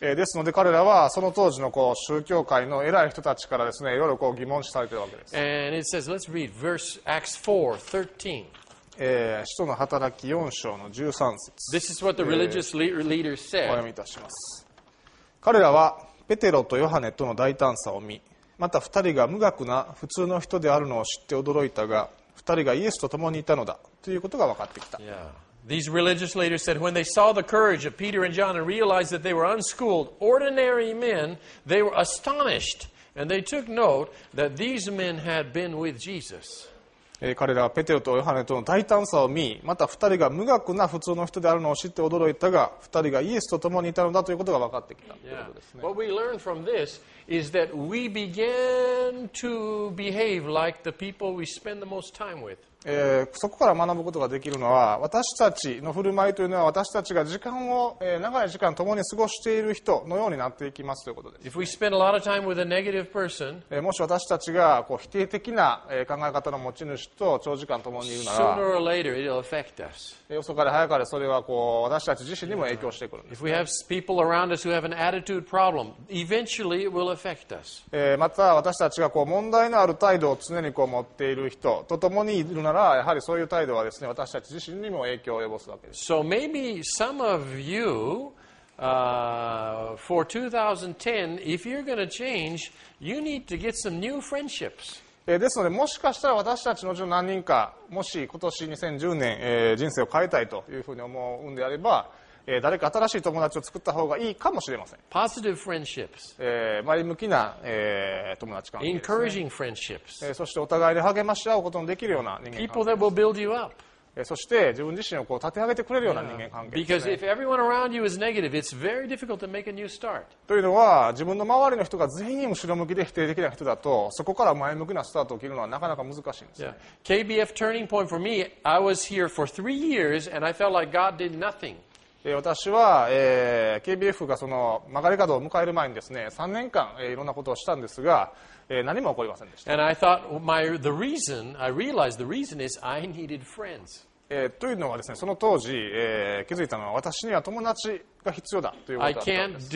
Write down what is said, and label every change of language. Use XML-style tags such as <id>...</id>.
<ja>ですので彼らはその当時のこう宗教界の偉い人たちからですね、いろいろこう疑問視されているわけです。</ja> <en>And it says, let's read verse Acts 4:13.</en> <ja>使徒の働き4章の13節。</ja> <en>This is what the religious leaders said.</en> <ja>お読みいたします。彼らはペテロとヨハネとの大胆さを見、また2人が無学な普通の人であるのを知って驚いたが、2人がイエスと共にいたのだということが分かってきた。</ja> <en>Yeah. These religious leaders said when they saw the courage of Peter and John and realized that they were unschooled, ordinary men, they were astonished and they took note that these men had been with Jesus.</en> <ja>彼らはペテロとヨハネとの大胆さを見、また二人が無学な普通の人であるのを知って驚いたが、二人がイエスと共にいたのだということが分かってきたということですね。</ja> <en>Yeah. What we learn from this is that we began to behave like the people we spend the most time with.</en> <ja>そこから学ぶことができるのは、私たちの振る舞いというのは、私たちが時間を、長い時間共に過ごしている人のようになっていきますということです。</ja> <en>If we spend a lot of time with a negative person,</en> <ja>もし私たちがこう否定的な考え方の持ち主と長時間共にいるなら、</ja> <en>sooner or later it'll affect us.</en> <ja>遅かれ早かれそれはこう私たち自身にも影響してくるんです。</ja> <en>If we have people around us who have an attitude problem, eventually it will affect us.</en> <ja>また私たちがこう問題のある態度を常にこう持っている人と共にいるならやはりそういう態度はですね私たち自身にも影響を及ぼすわけです。</ja> <en>So maybe some of you, for 2010, if you're going to change, you need to get some new friendships.</en> <ja>ですのでもしかしたら私たちのうちの何人かもし今年2010年、人生を変えたいというふうに思うんであれば、誰か新しい友達を作った方がいいかもしれません。</ja> <en>Positive friendships.</en> <ja>前向きな、友達関係ですね。</ja> <en>Encouraging friendships.</en> <ja>そしてお互いで励まし合うことのできるような人間関係です。</ja> <en>People that will build you up.</en> <ja>そして自分自身をこう立て上げてくれるような人間関係ですね。</ja> <en>Because if everyone around you is negative, it's very difficult to make a new start.</en> <ja>というのは自分の周りの人が全員後ろ向きで否定的な人だと、そこから前向きなスタートを切るのはなかなか難しいんですね。</ja> <en>Yeah. KBF turning point for me. I was here for 3 years and I felt like God did nothing.</en> <ja>私は、KBF がその曲がり角を迎える前にですね、3年間、いろんなことをしたんですが、何も起こりませんでした。</ja> <en>And I thought the reason, I realized the reason is I needed friends.</en> <ja>というのはですね、その当時、気づいたのは私には友達が必要だということだったんです。</ja>